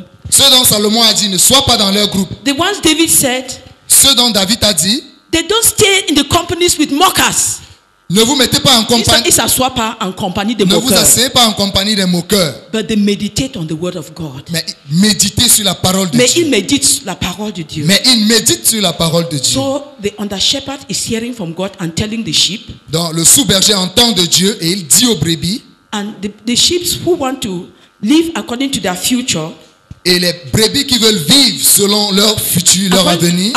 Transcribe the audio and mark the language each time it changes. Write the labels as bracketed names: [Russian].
[French] Ceux dont Salomon a dit, ne sois pas dans leur groupe. [English] The ones David said, [French] ceux dont David a dit, [English] they don't stay in the companies with mockers. [French] Ne vous mettez pas en compagnie. Ils s'assoient pas en compagnie des ne moqueurs. Ne vous asseyez pas en compagnie des moqueurs. [English] But they meditate on the word of God. [French] Mais méditez sur la parole de Mais Dieu. Mais ils méditent la parole de Dieu. Mais ils méditent sur la parole de Dieu. [English] So the under shepherd is hearing from God and telling the sheep. [French] Donc le sous-berger entend de Dieu et il dit aux brebis. [English] And the sheep who want to live according to their future. [French] Et les brebis qui veulent vivre selon leur futur, leur avenir.